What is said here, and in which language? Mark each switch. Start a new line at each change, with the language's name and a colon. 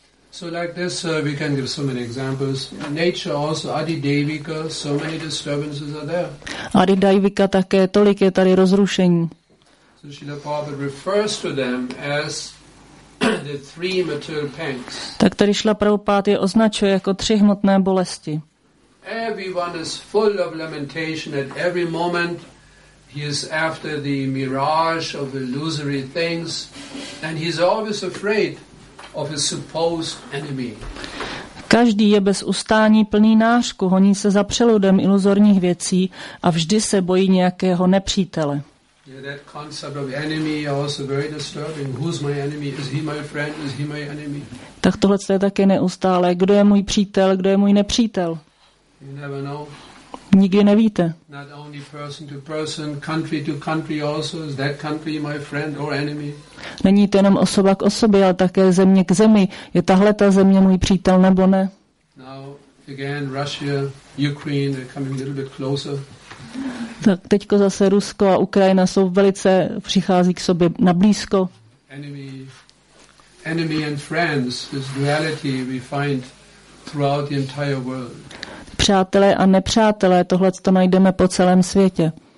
English: So like this, we can give so many examples. Nature also, adhidaivika, so many disturbances are there.
Czech: Adhidaivika také, tolik je tady rozrušení.
English: So Srila Prabhupada refers to them as the three material pains.
Czech: Tak tady Srila Prabhupada je označuje jako tři hmotné bolesti.
English: Everyone is full of lamentation at every moment. He is after the mirage of illusory things, and he's always afraid of his supposed enemy.
Czech: Každý je bez ustání plný nářku, honí se za přeludem iluzorních věcí a vždy se bojí nějakého nepřítele.
English: Yeah, that concept of enemy also very disturbing. Who's my enemy? Is he my friend? Is he my enemy?
Czech: Tak tohle je taky neustále. Kdo je můj přítel? Kdo je můj nepřítel?
English: You never know.
Czech: nikdy nevíte.
English: Not only person to person, country to country also, is that country my friend or enemy?
Czech: Není to jenom osoba k osobě, ale také země k zemi. Je tahle ta země můj přítel nebo ne?
English: Now again Russia, Ukraine are coming a little bit closer.
Czech: Tak teďko zase Rusko a Ukrajina jsou velice, přichází k sobě na blízko.
English: Enemy and friends is reality we find throughout the entire world.
Czech: Přátelé a nepřátelé, tohle to najdeme po celém světě.